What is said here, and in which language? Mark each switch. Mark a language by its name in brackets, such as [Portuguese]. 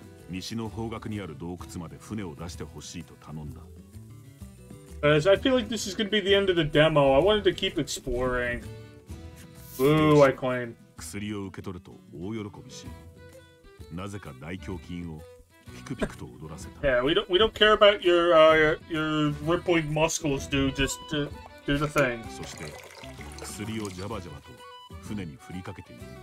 [Japanese] 西の方角にある洞窟まで船を出してほしいと頼んだ。 [English] As I feel like this is gonna be the end of the demo, I wanted to keep exploring. Ooh, I claim. [Japanese] 薬を受け取ると大喜びし、なぜか大胸筋をピクピクと踊らせた。 [English] Yeah, we don't care about your rippling muscles, dude. Just do the thing. [Japanese] そして薬をジャバジャバと船に振りかけている。